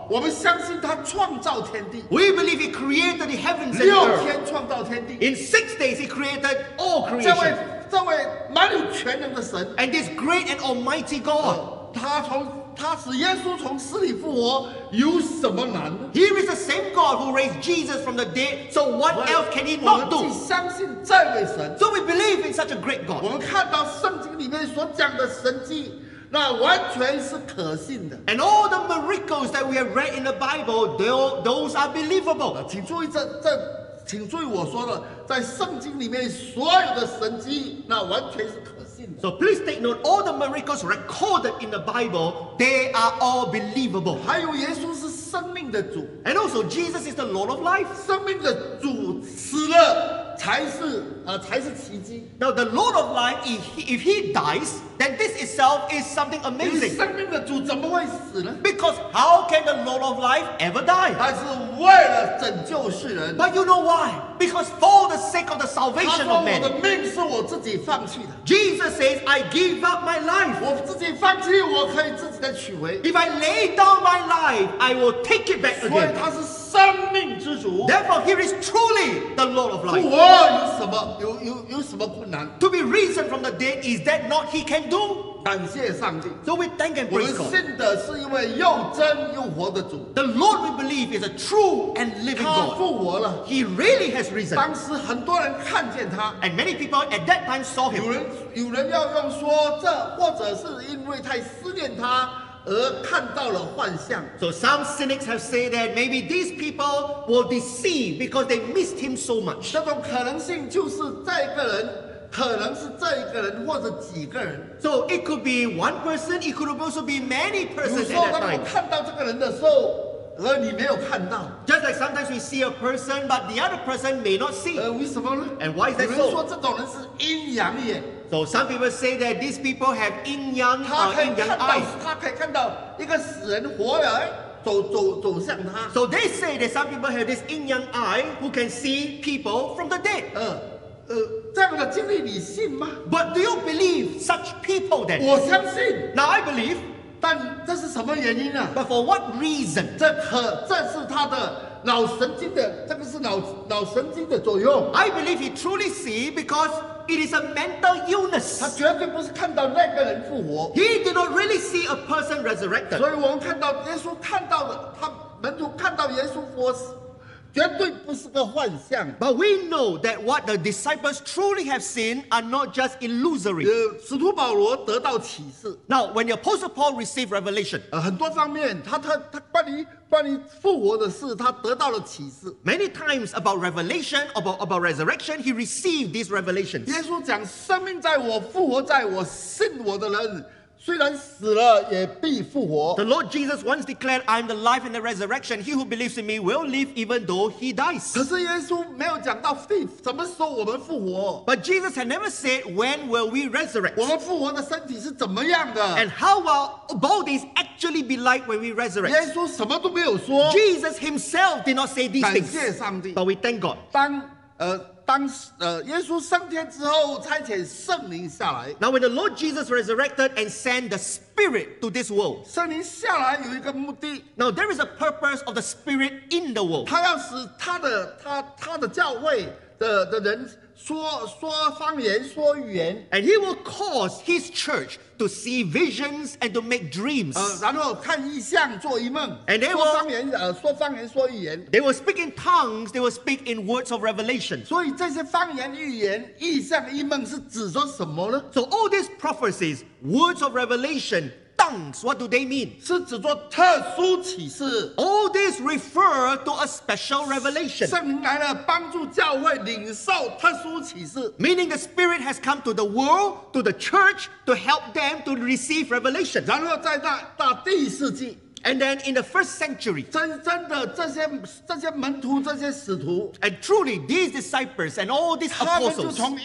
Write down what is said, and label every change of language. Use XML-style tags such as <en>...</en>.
<zh>我们相信他创造天地。</zh> <en>We believe he created the heavens and earth.</en> <zh>六天创造天地。</zh> <en>In 6 days he created all creation.</en> <zh>这位满有全能的神。</zh> <en>And this great and almighty God.</en> <zh>他使耶稣从死里复活，有什么难？</zh> <en>He is the same God who raised Jesus from the dead. So what else can he not do?</en> <zh>我们既相信这位神。</zh> <en>So we believe in such a great God.</en> <zh>我们看到圣经里面所讲的神迹。那完全是可信的。</zh> <en>And all the miracles that we have read in the Bible, those are believable.</en> <zh>请注意请注意我说的，在圣经里面所有的神迹，那完全是可信的。</zh> <en>So please take note, all the miracles recorded in the Bible, they are all believable.</en> <zh>还有耶稣是生命的主。</zh> <en>And also Jesus is the Lord of life.</en> <zh>生命的主死了。才是奇迹。</zh> <en>Now the Lord of Life, if he dies, then this itself is something amazing.</en> <zh>生命的主怎么会死呢？</zh> <en>Because how can the Lord of Life ever die?</en> <zh>他是为了拯救世人。</zh> <en>But you know why? Because for the sake of the salvation of men.</en> <zh>他说我的命是我自己放弃的。</zh> <en>Jesus says, I give up my life.</en> <zh>我自己放弃，我可以自己的取回。</zh> <en>If I lay down my life, I will take it back again.</en> <zh>所以他是生命之主。</zh> <en>Therefore, he is truly the Lord of Life.</en> <zh>有什么困难？</zh> <en>To be risen from the dead, is that not he can do?</en> <zh>感谢上帝。</zh> <en>So we thank and praise God.</en> <zh>我们信的是一位又真又活的主。</zh> <en>The Lord we believe is a true and living God.</en> <zh>他复活了。</zh> <en>He really has risen.</en> <zh>当时很多人看见他。</zh> <en>And many people at that time saw him.</en> <zh>有人要用说这或者是因为太思念他。而看到了幻象。</zh> <en>So some cynics have said that maybe these people were deceived because they missed him so much.</en> <zh>这种可能性就是这一个人，可能是这一个人或者几个人。</zh> <en>So it could be one person, it could also be many persons.</en> <zh>有时候当你看到这个人的时候，而你没有看到。</zh> <en>Just like sometimes we see a person, but the other person may not see.</en> <zh>为什么呢？</zh> <en>And why is that so?</en> <zh>有人说这种人是阴阳眼。</zh> <en>So some people say that these people have yin yang,</en> <zh>阴阳</zh> <en>eyes.</en> <zh>他可以看到一个死人活人走向他。</zh> <en>So they say that some people have this yin yang eye who can see people from the dead.</en> <zh>这样的经历你信吗？</zh> <en>But do you believe such people then?</en> <zh>我相信。</zh> <en>Now I believe.</en> <zh>但这是什么原因啊？</zh> <en>But for what reason?</en> <zh>这是他的脑神经的，这个是脑神经的作用。</zh> <en>I believe he truly see because. It is a mental illness.</en> <zh>他绝对不是看到那个人复活。</zh> <en>He did not really see a person resurrected.</en> <zh>所以我们看到耶稣看到的，他门徒看到耶稣复活，绝对不是个幻象。</zh> <en>But we know that what the disciples truly have seen are not just illusory.</en> <zh>使徒保罗得到启示。</zh> <en>Now, when the Apostle Paul received revelation,</en> <zh>很多方面，他关于复活的事，他得到了启示。</zh> <en>Many times about revelation, about resurrection, he received these revelations.</en> <zh>耶稣讲，生命在我，复活在我，信我的人。虽然死了也必复活。</zh> <en>The Lord Jesus once declared, I am the life and the resurrection. He who believes in me will live even though he dies.</en> <zh>可是耶稣没有讲到什么时候我们复活。</zh> <en>But Jesus had never said, when will we resurrect?</en> <zh>我们复活的身体是怎么样的？</zh> <en>And how will bodies actually be like when we resurrect?</en> <zh>耶稣什么都没有说。</zh> <en>Jesus himself did not say these things.</en> <zh>感谢上帝。</zh> <en>But we thank God.</en> <zh>当耶稣升天之后，差遣圣灵下来。</zh> <en>Now when the Lord Jesus resurrected and sent the Spirit to this world,</en> <zh>圣灵下来有一个目的。</zh> <en>Now there is a purpose of the Spirit in the world.</en> <zh>他要使他的教会的人说方言说语言</zh> <en>and he will cause his church to see visions and to make dreams</en> <zh>然后看异象做一梦</zh> <en>and they</en> <zh>说方言说语言</zh> <en>they will speak in tongues they will speak in words of revelation</en> <zh>所以这些方言预言异象异梦是指着什么呢</zh> <en>so all these prophecies words of revelation What do they mean?</en> <zh>是指做特殊启示.</zh> <en>All this refer to a special revelation.</en> <zh>圣灵来了帮助教会领受特殊启示.</zh> <en>Meaning the Spirit has come to the world, to the church, to help them to receive revelation.</en> <zh>然后在那第四季.</zh> <en>And then in the first century,</en> <zh>真的这些门徒这些使徒,</zh> <en>and truly these disciples and all these apostles,</en>